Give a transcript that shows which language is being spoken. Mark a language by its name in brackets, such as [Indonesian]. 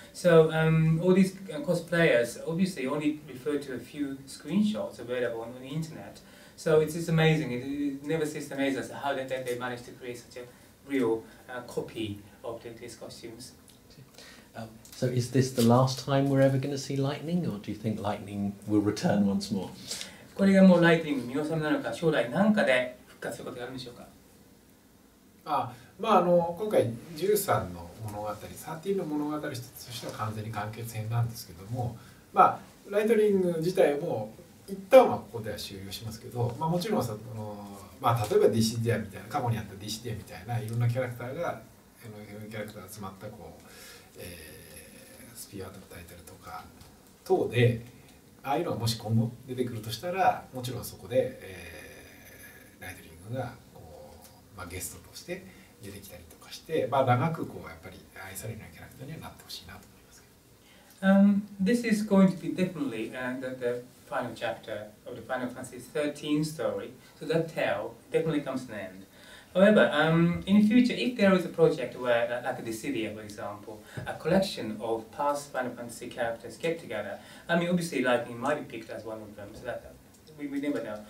[English] So all these cosplayers obviously only refer to a few screenshots available on the internet. So it's amazing. It never ceases amazing how they managed to create such a real copy of these costumes. So is this the last time we're ever going to see Lightning, or do you think Lightning will return once more? [Japanese] これがもうライトニングの見納めなのか、将来何かで復活することがあるんでしょうか？今回13の物語、13の物語としては完全に完結編なんですけども、ライトニング自体も一旦はここでは終了しますけど、もちろんその、例えばディシディアみたいな、過去にあったディシディアみたいないろんなキャラクターが、キャラクターが集まったこう、スピアードタイトルとか等でああいうのがもし今後出てくるとしたら、もちろんそこで、ライトニングがこう、ゲストとして出てきたりとかして、長くこうやっぱり愛されるキャラクターにはなってほしいなと思いますけど。 [English] This is going to be definitely the final chapter of the Final Fantasy 13 story. So that tale definitely comes to an end. However, in the future, if there is a project where, like a Dissidia, for example, a collection of past Final Fantasy characters get together, I mean, obviously, Lightning might be picked as one of them, so that we never know.